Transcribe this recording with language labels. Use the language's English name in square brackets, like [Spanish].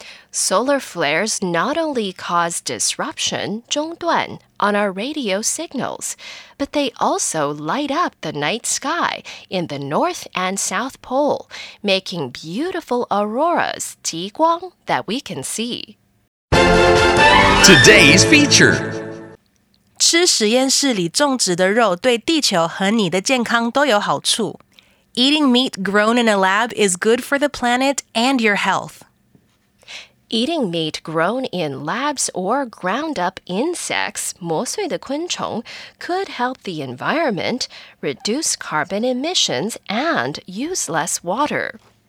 [English] Solar flares not only cause disruption, 中断, on our radio signals, but they also light up the night sky in the North and South Pole, making beautiful auroras, 极光, that we can see. Today's feature. [Chinese] 吃实验室里种植的肉对地球和你的健康都有好处。 [English] Eating meat grown in a lab is good for the planet and your health. Eating meat grown in labs or ground-up insects, [Chinese] 磨碎的昆虫, [English] could help the environment, reduce carbon emissions, and use less water.